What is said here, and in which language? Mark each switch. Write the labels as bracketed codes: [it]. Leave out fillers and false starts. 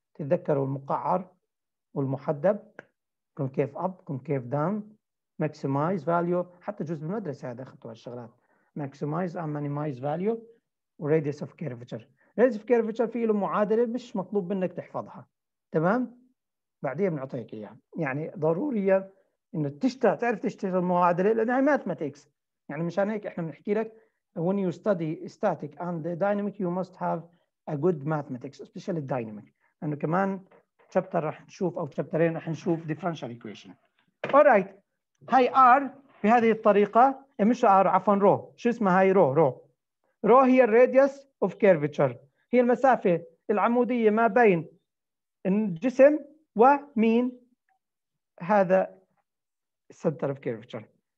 [ar] تتذكروا المقعر والمحدب، كونكيف اب كونكيف داون، ماكسمايز فاليو، حتى جزء المدرسه هذا اخذته هالشغلات، ماكسمايز ام مينيمايز فاليو وراديوس اوف كيرفتشر. راديوس اوف كيرفتشر في له معادله مش مطلوب منك تحفظها. تمام؟ بعدين بنعطيك اياها، يعني ضرورية انه تشتغل تعرف تشتغل المعادلة لأنها ماثماتكس. يعني مشان هيك احنا بنحكي لك [en] when you study static and dynamic you must have a good mathematics especially dynamic. [ar] لأنه كمان شابتر راح نشوف أو شابترين راح نشوف differential equation. [en] Alright. [ar] هاي R بهذه الطريقة، مش R عفوا رو، شو اسمها هاي رو؟ رو. رو هي الراديوس اوف كيرفتشر، هي المسافة العمودية ما بين الجسم ومين؟ هذا السنتر اوف كيرفتشر.